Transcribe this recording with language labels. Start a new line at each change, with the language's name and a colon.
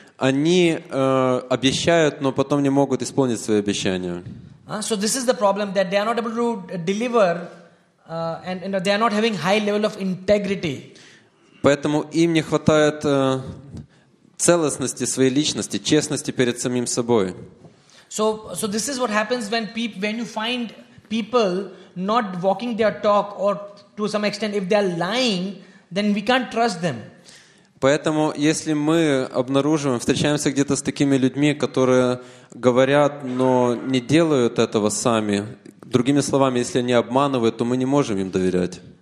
Russian: Они обещают, но потом не могут исполнить свои обещания.
English: So this is the problem, that they are not able to deliver, and, you know, they are not having high level of integrity.
Russian: Поэтому им не хватает целостности своей личности, честности перед самим собой.
English: So this is what happens when you find people not walking their talk, or to some extent, if they are lying, then we can't trust them.
Russian: Поэтому, если мы обнаруживаем, встречаемся где-то с такими людьми, которые говорят, но не делают этого сами, другими словами, если они обманывают, то мы не можем им доверять.